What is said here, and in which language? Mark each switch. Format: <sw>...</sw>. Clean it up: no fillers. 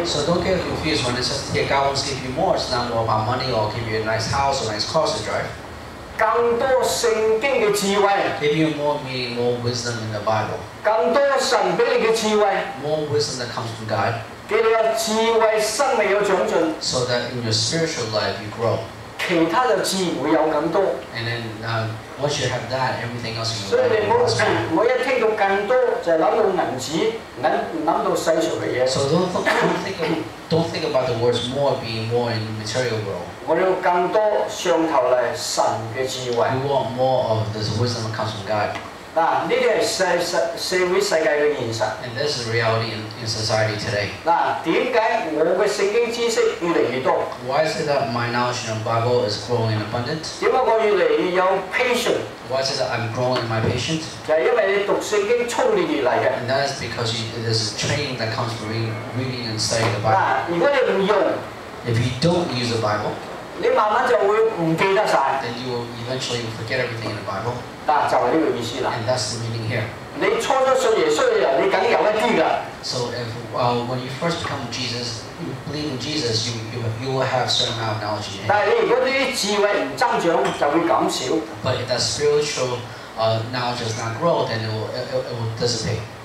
<en>So don't get confused when it says here God wants to give you more. It's not more about money or give you a nice house or nice cars to drive.</en> <yue>更多聖經嘅智慧。</yue> <en>Give you more meaning, more wisdom in the Bible.</en> <yue>更多神俾你嘅智慧。</yue> <en>More wisdom that comes from God.</en> <yue>俾你嘅智慧，生命有長進。</yue> <en>So that in your spiritual life you grow.</en> <yue>其他就自然會有更多。</yue> <en>And then once you have that, everything else you will have.</en> <yue>所以你唔好，我一聽到更多就諗到銀紙，諗到世俗嘅嘢。</yue> <en>So don't think about the words more being more in the material world.</en> <yue>我要更多上頭嚟神嘅智慧。</yue> <en>We want more of this wisdom that comes from God.</en> <yue>嗱，呢啲係社會世界嘅現實。</yue> <en>And this is reality in society today.</en> <yue>嗱，點解我嘅聖經知識越嚟越多？</yue> <en>Why is it that my knowledge in the Bible is growing in abundance?</en> <yue>點解我越嚟越有 patience?</yue> <en>Why is it that I'm growing in my patience?</en> <yue>就係因為你讀聖經操練而嚟嘅。</yue> <en>And that is because there's a training that comes from reading and studying the Bible.</en> <yue>嗱，如果你唔用，</yue> <en>If you don't use the Bible,</en> <yue>你慢慢就會唔記得曬。</yue> <en>Then you will eventually forget everything in the Bible.</en> <yue>嗱，就係呢個意思啦。</yue> <en>And that's the meaning here.</en> <yue>你初初信耶穌嘅人，你梗有一啲㗎。</yue> <en>So if when you first become Jesus, you believe in Jesus, you will have certain amount of knowledge.</en> <yue>但係你如果啲智慧唔增長，就會減少。</yue> <en>But if that spiritual knowledge does not grow, then it will dissipate.</en>